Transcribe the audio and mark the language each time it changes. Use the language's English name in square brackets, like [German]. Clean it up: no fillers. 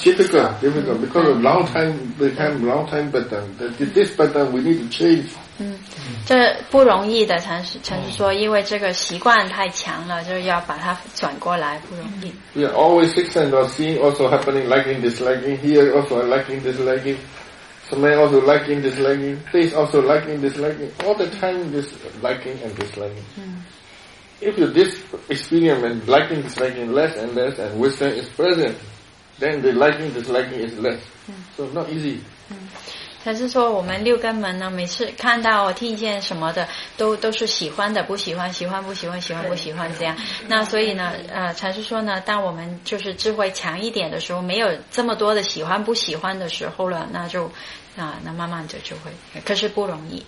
[English] Difficult, because long time, but this pattern we need to change. [Chinese] 这不容易的，禅师说，因为这个习惯太强了，就要把它转过来，不容易。 [English] Yeah, always sixing or seeing also happening, liking, disliking. Here also liking, disliking. Smell also liking, disliking. Taste also liking, disliking. All the time, this liking and disliking. If you this experiment liking, disliking less and less, and wisdom is present, then the liking disliking is less. So not easy. [Chinese] 他是说我们六根门呢，每次看到我听见什么的，都是喜欢的，不喜欢，喜欢不喜欢，喜欢不喜欢这样。那所以呢，禅师说呢，当我们就是智慧强一点的时候，没有这么多的喜欢不喜欢的时候了，那就那慢慢的就会，可是不容易。